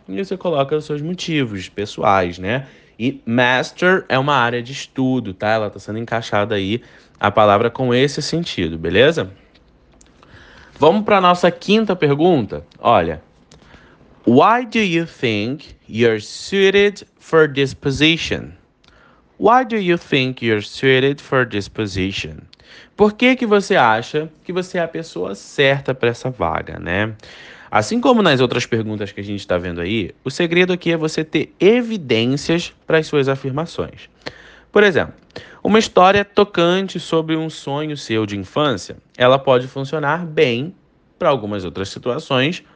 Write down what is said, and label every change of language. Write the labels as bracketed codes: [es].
[pt] E você coloca os seus motivos pessoais, né? E master é uma área de estudo, tá? Ela tá sendo encaixada aí a palavra com esse sentido, beleza? Vamos para nossa quinta pergunta. Olha. [en] Why do you think you're suited for this position? Why do you think you're suited for this position? [pt] Por que que você acha que você é a pessoa certa para essa vaga, né? Assim como nas outras perguntas que a gente está vendo aí, o segredo aqui é você ter evidências para as suas afirmações. Por exemplo, uma história tocante sobre um sonho seu de infância, ela pode funcionar bem para algumas outras situações.